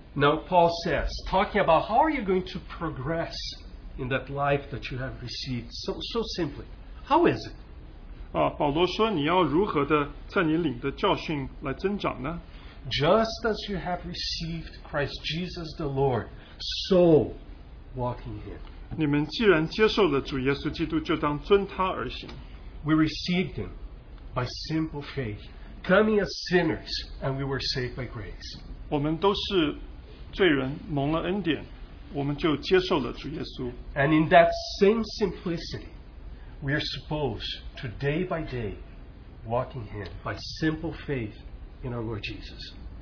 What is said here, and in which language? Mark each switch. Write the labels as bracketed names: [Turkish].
[English] Now Paul says, talking about how are you going to progress in that life that you have received, so simply, how is it? [Chinese] 保罗说你要如何的在你领的教训来增长呢？ [English] Just as you have received Christ Jesus the Lord, so walk in Him. [Chinese] 你们既然接受了主耶稣基督，就当遵他而行。 [English] We received Him by simple faith, coming as sinners, and we were saved by grace. [Chinese] 我们都是罪人，蒙了恩典，我们就接受了主耶稣。 [English] And in that same simplicity, we are supposed to day by day walk in Him by simple faith in our Lord Jesus.